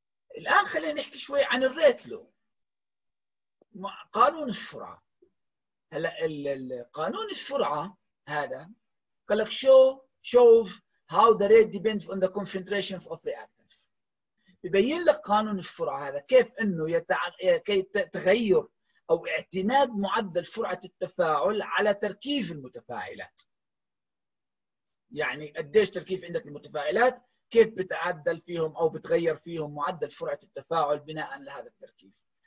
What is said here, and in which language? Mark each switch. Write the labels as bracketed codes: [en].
[ar] طيب الان خلينا نحكي شوي عن الريت لو، قانون السرعه. هلا القانون السرعه هذا قال لك [en] shows how the rate depends on the concentration of reactants. [ar] ببين لك قانون السرعة هذا كيف أنه تغير أو اعتماد معدل سرعة التفاعل على تركيز المتفاعلات. يعني قديش تركيز عندك المتفاعلات، كيف بتعدل فيهم أو بتغير فيهم معدل سرعة التفاعل بناء على هذا التركيز.